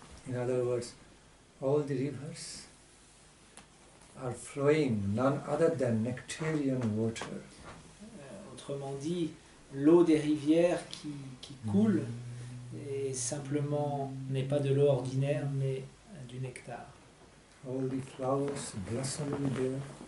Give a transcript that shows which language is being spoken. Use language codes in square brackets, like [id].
[en] In other words, all the rivers are flowing none other than nectarian water. [fr] Autrement dit, l'eau des rivières qui coule est simplement n'est pas de l'eau ordinaire mais du nectar. [en] All the flowers blossoming there.